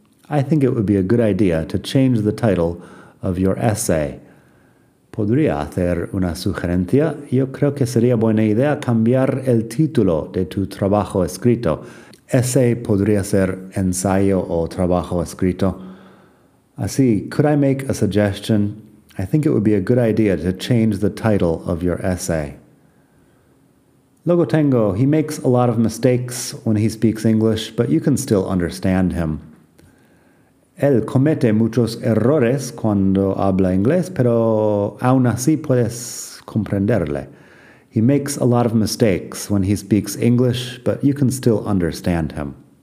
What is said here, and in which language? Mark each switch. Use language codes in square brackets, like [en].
[en] I think it would be a good idea to change the title of your essay. [es] ¿Podría hacer una sugerencia? Yo creo que sería buena idea cambiar el título de tu trabajo escrito. Ese podría ser ensayo o trabajo escrito. Así, [en] could I make a suggestion? I think it would be a good idea to change the title of your essay. Logotengo, he makes a lot of mistakes when he speaks English, but you can still understand him. [es] Él comete muchos errores cuando habla inglés, pero aún así puedes comprenderle. [en] He makes a lot of mistakes when he speaks English, but you can still understand him.